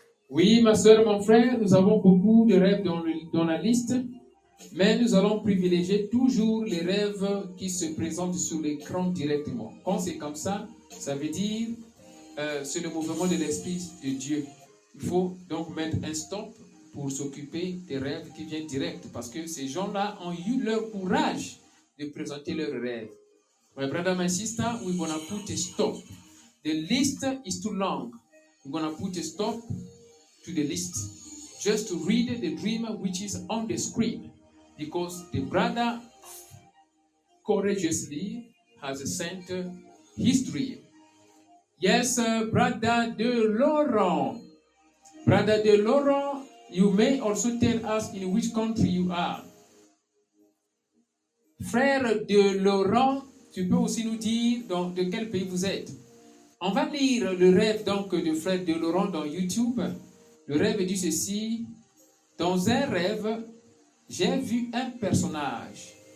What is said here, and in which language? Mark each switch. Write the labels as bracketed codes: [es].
[fr] Oui, ma soeur, mon frère, nous avons beaucoup de rêves dans la liste, mais nous allons privilégier toujours les rêves qui se présentent sur l'écran directement. Quand c'est comme ça, ça veut dire c'est le mouvement de l'Esprit de Dieu. Il faut donc mettre un stop pour s'occuper des rêves qui viennent direct, parce que ces gens-là ont eu leur courage de présenter leurs rêves. [en] My brother, my sister, we're gonna put a stop. The list is too long. We're gonna put a stop to the list. Just to read the dream which is on the screen, because the brother courageously has sent his dream. Yes, brother de Laurent. Brother de Laurent, you may also tell us in which country you are. [fr] Frère de Laurent, tu peux aussi nous dire dans de quel pays vous êtes. On va lire le rêve donc de frère de Laurent dans YouTube. Le rêve dit ceci. Dans un rêve, j'ai vu un personnage.